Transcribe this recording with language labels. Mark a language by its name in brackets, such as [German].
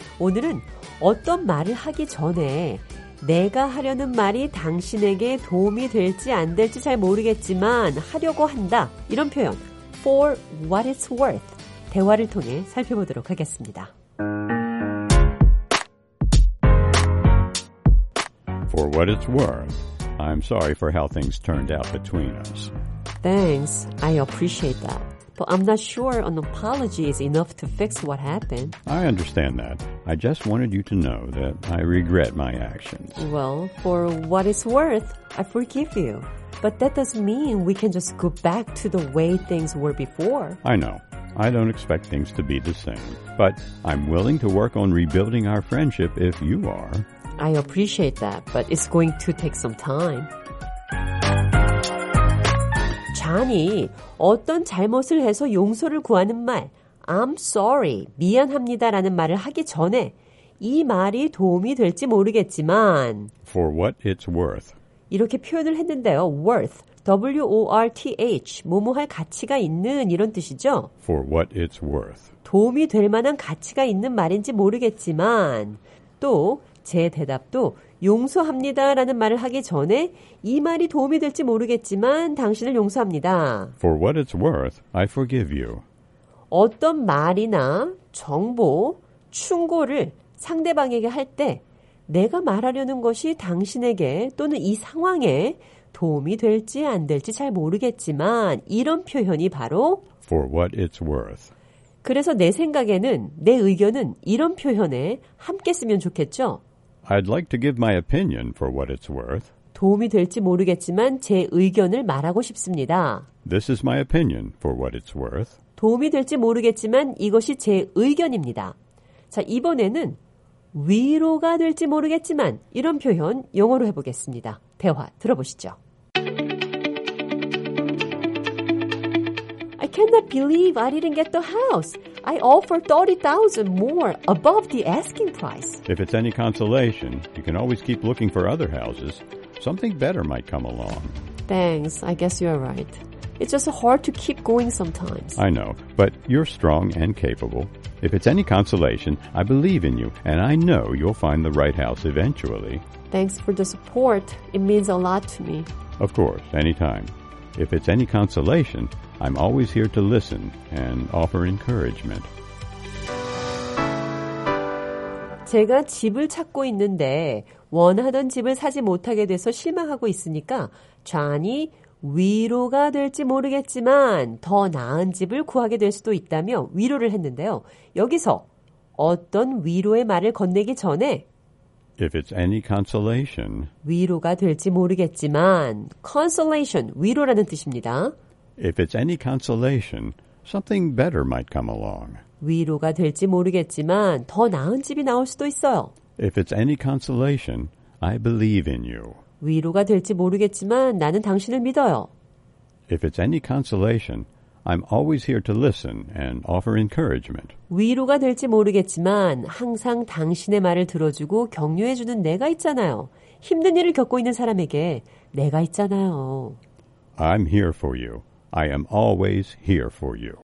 [Korean] 오늘은 어떤 말을 하기 전에 내가 하려는 말이 당신에게 도움이 될지 안 될지 잘 모르겠지만 하려고 한다. 이런 표현, [English] for what it's worth, [Korean] 대화를 통해 살펴보도록 하겠습니다. [English] For what it's worth, I'm sorry for how things turned out between us. Thanks, I appreciate that. But I'm not sure an apology is enough to fix what happened. I understand that. I just wanted you to know that I regret my actions. Well, for what it's worth, I forgive you. But that doesn't mean we can just go back to the way things were before. I know. I don't expect things to be the same. But I'm willing to work on rebuilding our friendship if you are. I appreciate that, but it's going to take some time. [Korean] 잔이 어떤 잘못을 해서 용서를 구하는 말, [English] I'm sorry, [Korean] 미안합니다라는 말을 하기 전에 이 말이 도움이 될지 모르겠지만 [English] For what it's worth. [Korean] 이렇게 표현을 했는데요. Worth, W-O-R-T-H, 뭐뭐할 가치가 있는 이런 뜻이죠. [English] For what it's worth. [Korean] 도움이 될 만한 가치가 있는 말인지 모르겠지만 또 제 대답도 용서합니다라는 말을 하기 전에 이 말이 도움이 될지 모르겠지만 당신을 용서합니다. [English] For what it's worth, I forgive you. [Korean] 어떤 말이나 정보, 충고를 상대방에게 할 때 내가 말하려는 것이 당신에게 또는 이 상황에 도움이 될지 안 될지 잘 모르겠지만 이런 표현이 바로 [English] For what it's worth. [Korean] 그래서 내 생각에는 내 의견은 이런 표현에 함께 쓰면 좋겠죠. [English] I'd like to give my opinion for what it's worth. [Korean] 도움이 될지 모르겠지만 제 의견을 말하고 싶습니다. [English] This is my opinion for what it's worth. [Korean] 도움이 될지 모르겠지만 이것이 제 의견입니다. 자, 이번에는 위로가 될지 모르겠지만 이런 표현 영어로 해보겠습니다. 대화 들어보시죠. [English] I cannot believe I didn't get the house. I offered $30,000 more above the asking price. If it's any consolation, you can always keep looking for other houses. Something better might come along. Thanks. I guess you're right. It's just hard to keep going sometimes. I know, but you're strong and capable. If it's any consolation, I believe in you, and I know you'll find the right house eventually. Thanks for the support. It means a lot to me. Of course, anytime. If it's any consolation, I'm always here to listen and offer encouragement. [Korean] 제가 집을 찾고 있는데 원하던 집을 사지 못하게 돼서 실망하고 있으니까 존이 위로가 될지 모르겠지만 더 나은 집을 구하게 될 수도 있다며 위로를 했는데요. 여기서 어떤 위로의 말을 건네기 전에 [English] If it's any consolation, [Korean] 위로가 될지 모르겠지만 consolation, 위로라는 뜻입니다. [English] If it's any consolation, something better might come along. [Korean] 위로가 될지 모르겠지만 더 나은 집이 나올 수도 있어요. [English] If it's any consolation, I believe in you. [Korean] 위로가 될지 모르겠지만 나는 당신을 믿어요. [English] If it's any consolation, I'm always here to listen and offer encouragement. [Korean] 위로가 될지 모르겠지만 항상 당신의 말을 들어주고 격려해주는 내가 있잖아요. 힘든 일을 겪고 있는 사람에게 내가 있잖아요. [English] I'm here for you. I am always here for you.